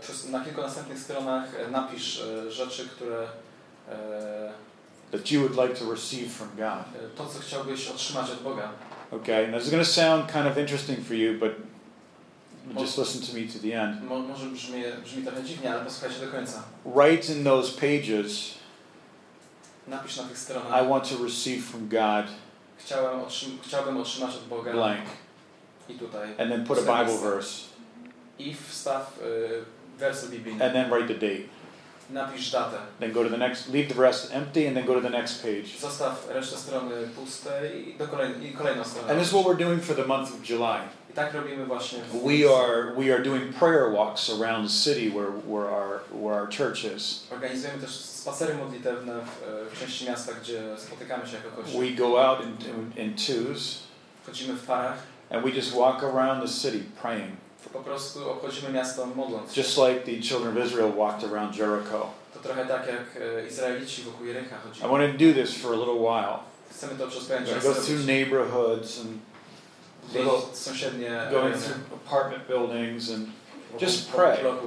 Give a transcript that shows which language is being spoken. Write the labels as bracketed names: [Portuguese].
[Polish] Na kilku następnych stronach napisz rzeczy, które [English] that you would like to receive from God. [Polish] To, co chciałbyś otrzymać od Boga. [English] Okay, now this is going to sound kind of interesting for you, but just listen to me to the end. [Polish] Może brzmi trochę dziwnie, ale posłuchaj się do końca. [English] Write in those pages. [Polish] Napisz na tych stronach. [English] I want to receive from God. [Polish] Chciałbym otrzymać od Boga. [English] Blank. [Polish] I tutaj. [English] And then put a Bible verse. [Polish] I wstaw wers biblijny. [English] And then write the date. [Polish] Napisz datę. [English] Then go to the next, leave the rest empty, and then go to the next page. [Polish] Zostaw resztę strony puste i kolejną stronę. [English] And this is what we're doing for the month of July. [Polish] I tak robimy właśnie. [English] We are doing prayer walks around the city where our church is. [Polish] Organizujemy też spacery modlitewne w części miasta, gdzie spotykamy się jako kościół. [English] We go out in twos. [Polish] Chodzimy w parach. [English] And we just walk around the city praying. [Polish] Po prostu obchodzimy miasto modląc się. [English] Just like the children of Israel walked around Jericho. [Polish] To trochę tak jak Izraelici wokół Jerycha chodzili. [English] I want to do this for a little while. [Polish] Chcemy to przez pewien czas zrobić. [English] Go through neighborhoods and little [Polish] sąsiednie [English] going through apartment buildings and just pray.